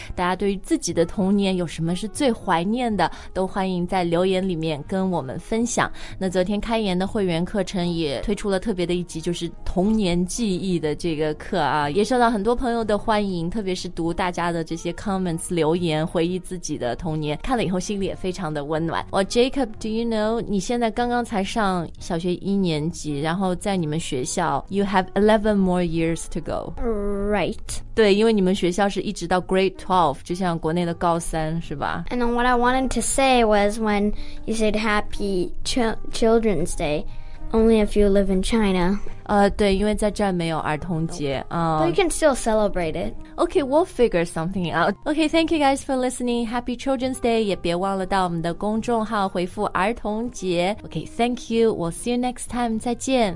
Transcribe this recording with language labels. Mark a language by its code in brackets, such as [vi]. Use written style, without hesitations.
[zh] 大家对于自己的童年有什么是最怀念的都欢迎在留言里面跟我们分享那昨天开言的会员课程也推出了特别的一集就是童年记忆的这个课啊也受到很多朋友的欢迎特别是读大家的这些 comments 留言回忆自己的童年看了以后心里也非常的温暖 [en] Well, Jacob, do you know [zh] 你现在刚刚才上小学一年级然后在你们学校 [en] You have 11 more years to go Right [zh] 对因为你们学校是一直到 grade 12就像国内的高三是吧 [en] And then what I wanted to say was when you said Happy Children's DayOnly if you live in China. [zh] 对，因为在这儿没有儿童节啊。 [en] But you can still celebrate it. Okay, we'll figure something out. Okay, thank you guys for listening. Happy Children's Day. [zh] 也别忘了到我们的公众号回复儿童节。 [en] Okay, thank you. We'll see you next time. [zh] 再见。